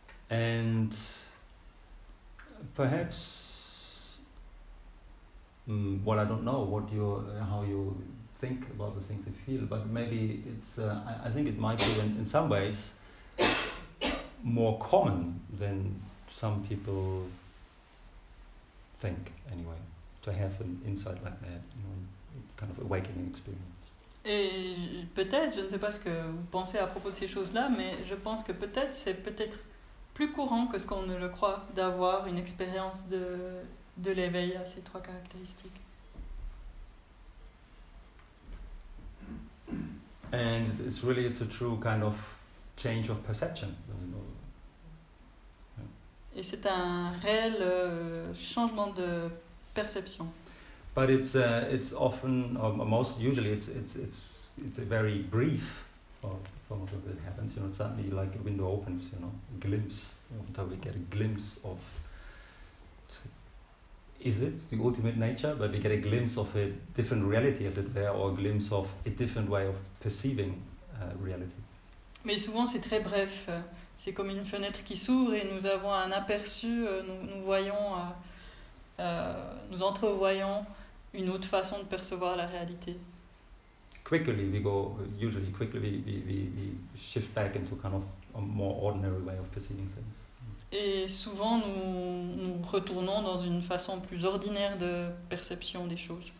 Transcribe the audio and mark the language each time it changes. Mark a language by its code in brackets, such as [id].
[en] And perhaps, well, I don't know what you, how you think about the things you feel, but maybe it's, I think it might be in some ways more common than some people think, anyway, to have an insight like that, you know, kind of awakening experience. [fr] Et peut-être, je ne sais pas ce que vous pensez à propos de ces choses-là, mais je pense que peut-être c'est peut-être plus courant que ce qu'on ne le croit d'avoir une expérience de l'éveil à ces trois caractéristiques. [en] And it's really it's a true kind of change of perception. Yeah. [fr] Et c'est un réel changement de perception. [en] But it's often or most usually it's a very brief almost of it happens, you know, suddenly like a window opens, you know, a glimpse, until we get a glimpse of, is it the ultimate nature, but we get a glimpse of a different reality, as it were, or a glimpse of a different way of perceiving reality. [fr] Mais souvent c'est très bref, c'est comme une fenêtre qui s'ouvre et nous avons un aperçu, nous voyons, nous entrevoyons une autre façon de percevoir la réalité. [en] Quickly, we go. Usually, quickly we shift back into kind of a more ordinary way of perceiving things. [fr] Et souvent nous retournons dans une façon plus ordinaire de perception des choses.